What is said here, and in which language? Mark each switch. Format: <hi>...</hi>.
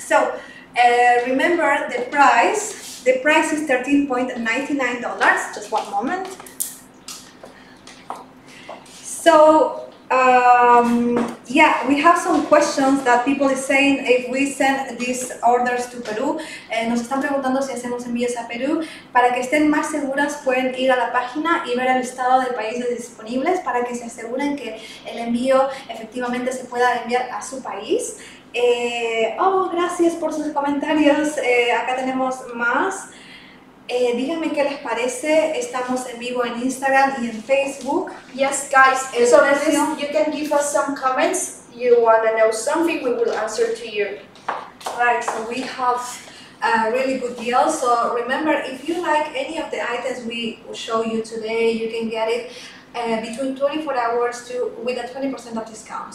<en>So remember the price. The price is $13.99. Just one moment. So yeah, we have some questions that people are saying if we send these orders to Peru.</en> <es>Nos están preguntando si hacemos envíos a Perú. Para que estén más seguras, pueden ir a la página y ver el listado de países disponibles para que se aseguren que el envío efectivamente se pueda enviar a su país. Oh, gracias por sus comentarios. Acá tenemos más. Díganme qué les parece. Estamos en vivo en Instagram y en Facebook.</es> <en>Yes, guys. So this, you can give us some comments. You want to know something, we will answer to you. Right, so we have a really good deal. So remember, if you like any of the items we show you today, you can get it between 24 hours to with a 20% of discount.</en>